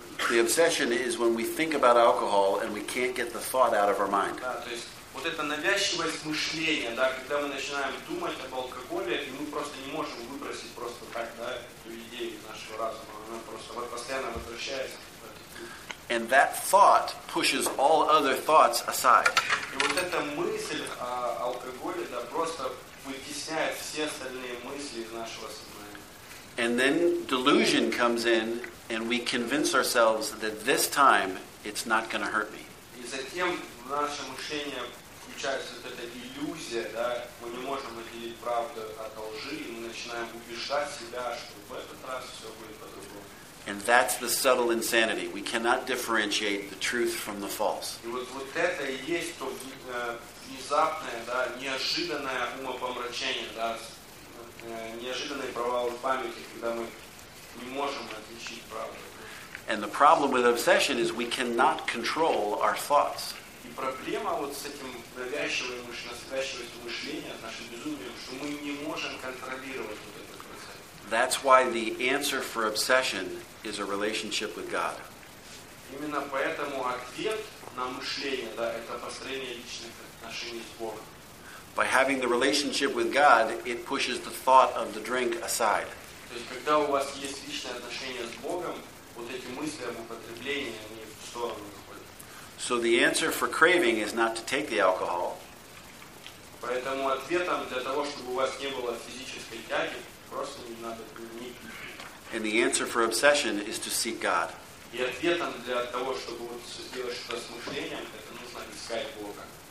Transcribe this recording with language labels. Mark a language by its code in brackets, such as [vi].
[en] The obsession is when we think about alcohol and we can't get the thought out of our mind. [ru] Да, то есть вот эта навязчивость мышления, да, когда мы начинаем думать об алкоголе, и мы просто не можем выбросить просто так, да, эту идею из нашего разума. Она просто вот постоянно возвращается. [en] And that thought pushes all other thoughts aside. [ru] И вот эта мысль о алкоголе, да, просто вытесняет все остальные мысли из нашего сознания. [en] And then delusion comes in, and we convince ourselves that this time it's not going to hurt me. [ru] И затем в наше мышление включается вот эта иллюзия, да, мы не можем отделить правду от лжи, и мы начинаем убеждать себя, что в этот раз все будет по-другому. [en] And that's the subtle insanity. We cannot differentiate the truth from the false. [ru] И вот это и есть то внезапное, да, неожиданное умопомрачение, да, неожиданный провал памяти, когда мы не можем отличить правду. [en] And the problem with obsession is we cannot control our thoughts. [ru] И проблема вот с этим навязчивостью мышления, нашим безумием, что мы не можем контролировать вот этот процесс. [en] That's why the answer for obsession is a relationship with God. [ru] Именно поэтому ответ на мышление, да, это построение личных отношений с Богом. [en] By having the relationship with God, it pushes the thought of the drink aside. [ru] То есть, когда у вас есть личные отношения с Богом, вот эти мысли об употреблении, они в сторону уходят. [en] So the answer for craving is not to take the alcohol. [ru] Поэтому ответом для того, чтобы у вас не было физической тяги, просто не надо пить. [en] And the answer for obsession is to seek God. [ru] И ответом для того, чтобы вот сделать что-то с мышлением, это нужно искать Бога.